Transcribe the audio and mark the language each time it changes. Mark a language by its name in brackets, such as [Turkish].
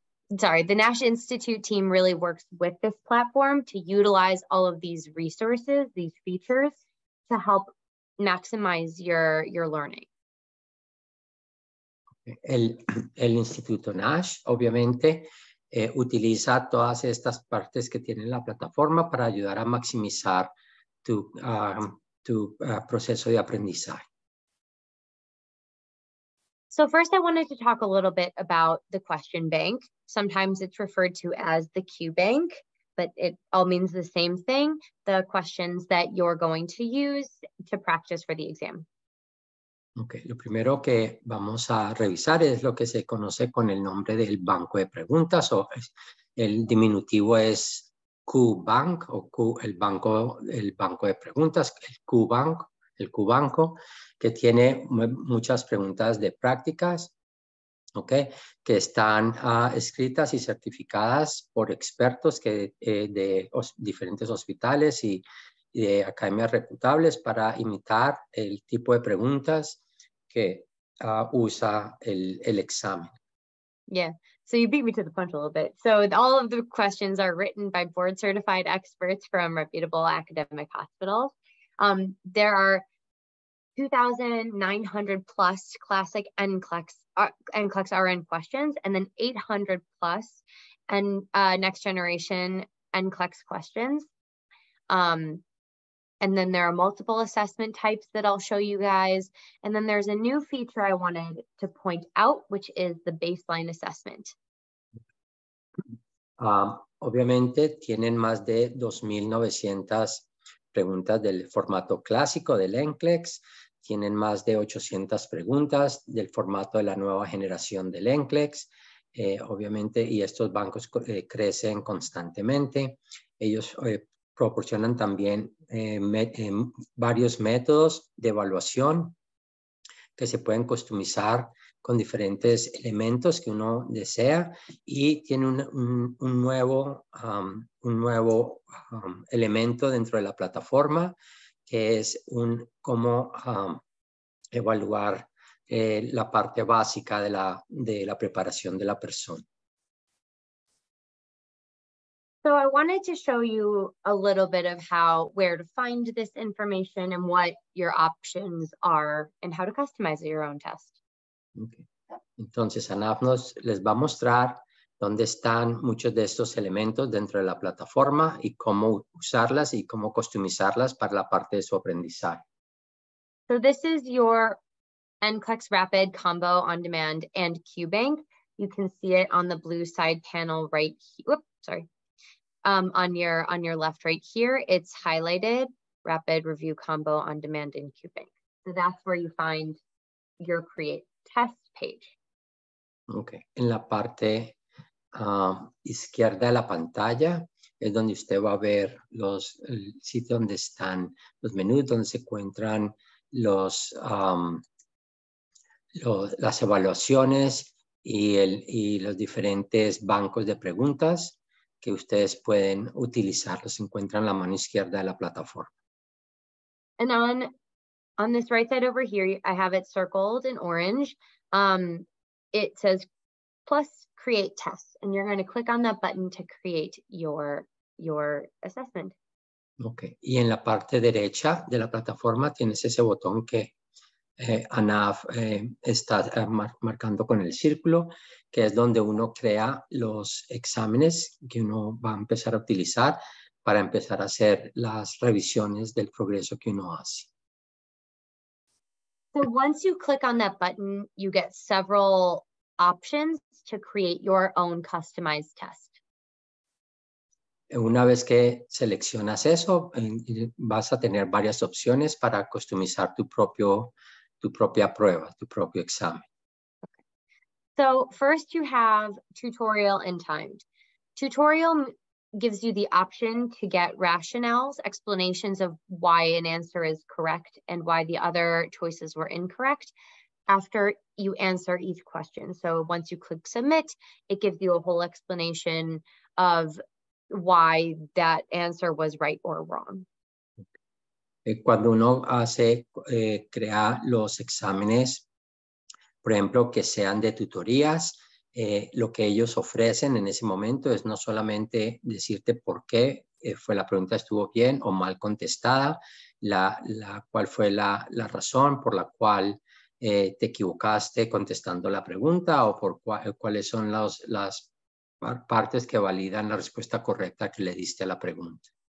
[English] The Nash Institute team really works with this platform to utilize all of these resources, these features, to help maximize your learning. [Spanish] El Instituto Nash, obviamente, utiliza todas estas partes que tiene la plataforma para ayudar a maximizar tu proceso de aprendizaje. [English] So first I wanted to talk a little bit about the question bank. Sometimes it's referred to as the Q bank, but it all means the same thing, the questions that you're going to use to practice for the exam. [Spanish] Okay, lo primero que vamos a revisar es lo que se conoce con el nombre del banco de preguntas, o el diminutivo es Q Bank o Q, el banco de preguntas, el Q Banco, que tiene muchas preguntas de prácticas, okay, que están escritas y certificadas por expertos de diferentes hospitales y de academias reputables para imitar el tipo de preguntas que usa el examen. Yeah. [English] So you beat me to the punch a little bit. So all of the questions are written by board certified experts from reputable academic hospitals. There are 2,900 plus classic NCLEX RN questions, and then 800 plus and next generation NCLEX questions. And then there are multiple assessment types that I'll show you guys. And then there's a new feature I wanted to point out, which is the baseline assessment. [Spanish] Obviamente tienen más de 2,900 preguntas del formato clásico del NCLEX. Tienen más de 800 preguntas del formato de la nueva generación del NCLEX. Obviamente, y estos bancos crecen constantemente. Ellos proporcionan también varios métodos de evaluación que se pueden customizar con diferentes elementos que uno desea y tiene un nuevo elemento dentro de la plataforma que es cómo evaluar la parte básica de la preparación de la persona. [English] So I wanted to show you a little bit of how, where to find this information and what your options are and how to customize your own test. Okay. [Spanish] Entonces, Anafnos les va a mostrar dónde están muchos de estos elementos dentro de la plataforma y cómo usarlas y cómo customizarlas para la parte de su aprendizaje. [English] So this is your NCLEX Rapid Combo On Demand and QBank. You can see it on the blue side panel right here. On your left right here, it's highlighted Rapid Review Combo On Demand and QBank. So that's where you find your create test page. Okay. [Spanish] En la parte izquierda de la pantalla es donde usted va a ver los el sitio donde están los menús donde se encuentran los las evaluaciones y los diferentes bancos de preguntas que ustedes pueden utilizar. Los encuentran la mano izquierda de la plataforma. [English] And on this right side over here, I have it circled in orange. It says plus create tests, and you're going to click on that button to create your assessment. Okay. [Spanish] Y en la parte derecha de la plataforma tienes ese botón que Anaf está marcando con el círculo, que es donde uno crea los exámenes que uno va a empezar a utilizar para empezar a hacer las revisiones del progreso que uno hace. [English] So once you click on that button, you get several options to create your own customized test. [Spanish] Una vez que seleccionas eso, vas a tener varias opciones para customizar tu propia prueba, tu propio examen. [English] So first you have tutorial and timed. Tutorial gives you the option to get rationales, explanations of why an answer is correct and why the other choices were incorrect after you answer each question. So once you click submit, it gives you a whole explanation of why that answer was right or wrong. [Spanish] Cuando uno hace crea los exámenes, por ejemplo, que sean de tutorías, lo que ellos ofrecen en ese momento es no solamente decirte por qué fue la pregunta estuvo bien o mal contestada, cuál fue la razón por la cual te equivocaste contestando la pregunta o por cuáles son las partes que validan la respuesta correcta que le diste a la pregunta.